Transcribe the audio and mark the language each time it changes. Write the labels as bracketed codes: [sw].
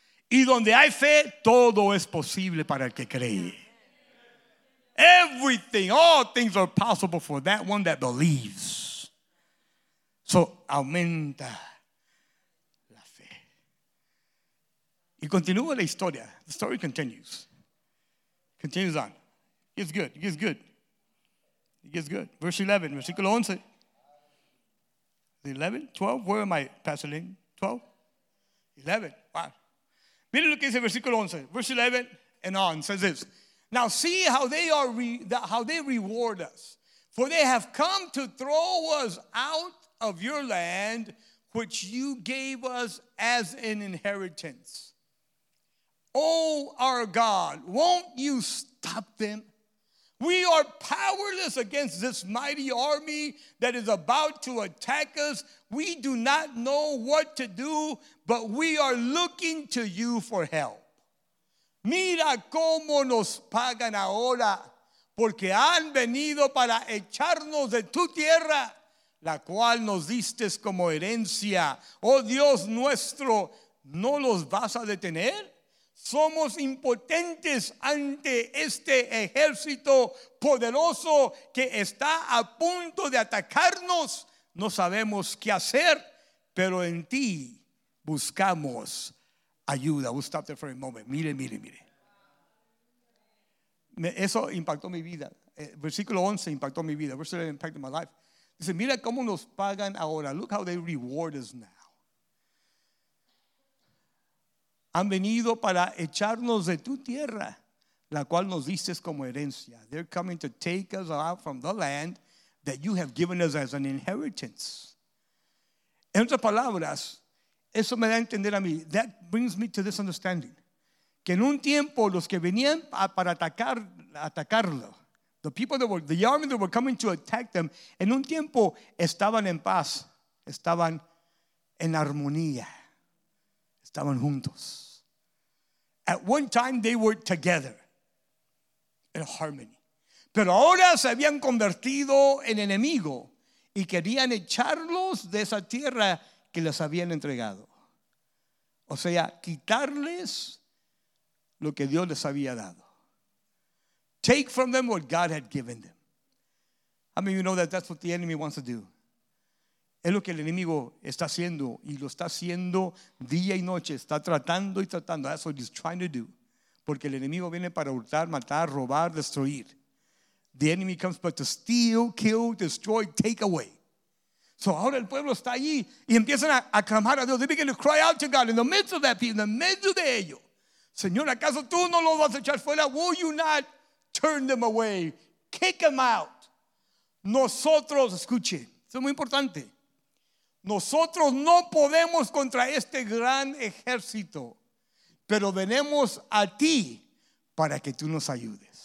[es] Y donde hay fe, todo es posible para el que cree. [en] Everything, all things are possible for that one that believes. [es] So, aumenta la fe. Y continúa la historia. [en] The story continues. Continues on. It's good. It's good. It's good. Verse 11, [es] versículo 11. [en] 11, 12, where am I, Pastor Lynn? 12? 11, wow. [es] Miren lo que dice versículo 11. [en] Verse 11 and on says this. Now see how they are how they reward us. For they have come to throw us out of your land, which you gave us as an inheritance. Oh, our God, won't you stop them? We are powerless against this mighty army that is about to attack us. We do not know what to do, but we are looking to you for help. [es] Mira cómo nos pagan ahora, porque han venido para echarnos de tu tierra, la cual nos diste como herencia. Oh Dios nuestro, ¿no los vas a detener? Somos impotentes ante este ejército poderoso que está a punto de atacarnos. No sabemos qué hacer, pero en ti buscamos ayuda. [en] We'll stop there for a moment. [es] Mire, mire, mire. Eso impactó mi vida. Versículo 11 impactó mi vida. [en] Verse 11 impacted my life. [es] Dice, mira cómo nos pagan ahora. [en] Look how they reward us now. [es] Han venido para echarnos de tu tierra, la cual nos diste como herencia. [en] They're coming to take us out from the land that you have given us as an inheritance. [es] En otras palabras, eso me da a entender a mí. [en] That brings me to this understanding. [es] Que en un tiempo los que venían para atacarlo, [en] the army that were coming to attack them, [es] en un tiempo estaban en paz, estaban en armonía, estaban juntos. [en] At one time they were together in harmony. [es] Pero ahora se habían convertido en enemigo y querían echarlos de esa tierra que les habían entregado. O sea, quitarles lo que Dios les había dado. [en] Take from them what God had given them. How many of you know that that's what the enemy wants to do? [es] Es lo que el enemigo está haciendo y lo está haciendo día y noche. Está tratando y tratando. [en] That's what he's trying to do. [es] Porque el enemigo viene para hurtar, matar, robar, destruir. [en] The enemy comes but to steal, kill, destroy, take away. [es] So ahora el pueblo está allí y empiezan a clamar a Dios. [en] They begin to cry out to God in the midst of that people, in the midst of [es] de ello. Señor, ¿acaso tú no los vas a echar fuera? [en] Will you not turn them away? Kick them out. [es] Nosotros, escuche, esto es muy importante. Nosotros no podemos contra este gran ejército, pero venimos a ti para que tú nos ayudes.